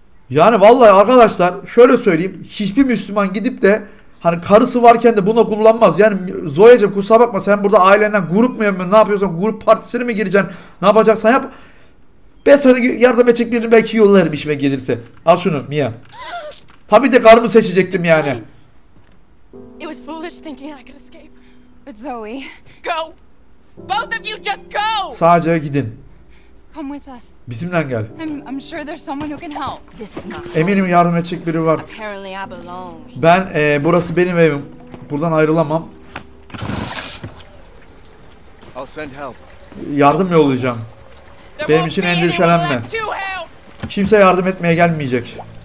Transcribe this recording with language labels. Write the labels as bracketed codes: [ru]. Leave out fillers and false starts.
[tr] Yani vallahi arkadaşlar, şöyle söyleyeyim. Hiçbir Müslüman gidip de hani karısı varken de buna kullanmaz. Yani Zoe'cim, kusura bakma, sen burada ailenden grup mu yapıyorsun? Ne yapıyorsun? Grup partisine mi gireceksin? Ne yapacaksan yap. Ben sana yardım edecek birini belki yollarım işime gelirse. Al şunu Mia. Tabii de karımı seçecektim yani. [en] It was foolish thinking I could escape. But Zoe. Go. Both of you just go. [tr] Sadece gidin. [en] Come with us. [tr] Bizimle gel. [en] I'm sure there's someone who can help. This is not. [tr] Eminim yardım edecek biri var. [en] Apparently I belong. [tr] Ben burası benim evim. Buradan ayrılamam. [en] I'll send help. [tr] Yardım yollayacağım. Benim için endişelenme. Kimse yardım etmeye gelmeyecek.